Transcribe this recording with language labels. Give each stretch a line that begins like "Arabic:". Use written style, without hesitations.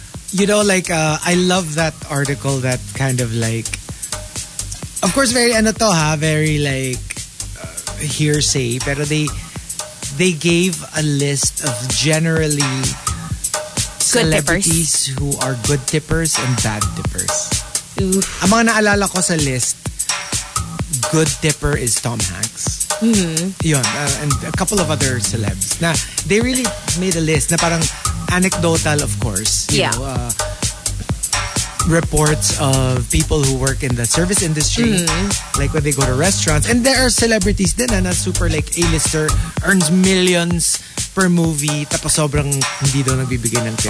English: You know, like, I love that article that kind of like... Of course, very, ano to, ha? Very like hearsay. Pero they gave a list of generally... Good celebrities tippers. Who are good tippers and bad tippers. Oof.
Filipino: Ang mga naalala ko sa list,
English: good tipper
Filipino: is Tom Hanks. Mm-hmm.
English: Yun, and a couple of other celebs. Na they really made a list na parang anecdotal, of course. You yeah. know, reports of people who work in the service industry. Mm-hmm. Like when they go to restaurants. And there are celebrities din na super like A-lister, earns millions per movie,
Filipino: tapos sobrang hindi daw nagbibigay ng tip.